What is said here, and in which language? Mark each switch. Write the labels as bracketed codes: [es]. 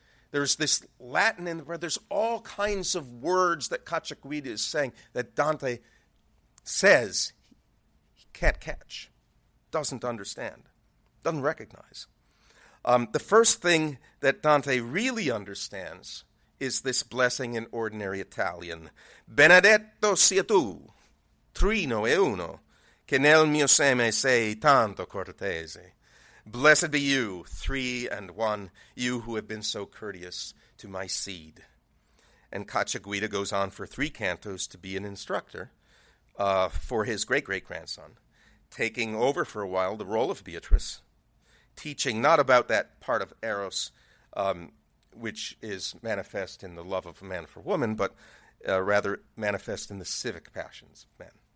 [en] There's this Latin in the word. There's all kinds of words that Cacciaguida is saying that Dante says he can't catch, doesn't understand, doesn't recognize. The first thing that Dante really understands is this blessing in ordinary Italian. [it] Benedetto sia tu, trino e uno, che nel mio seme sei tanto cortese. [en] Blessed be you, three and one, you who have been so courteous to my seed. And Cacciaguida goes on for three cantos to be an instructor for his great-great-grandson, taking over for a while the role of Beatrice, teaching not about that part of Eros which is manifest in the love of a man for woman, but rather manifest in the civic passions of men.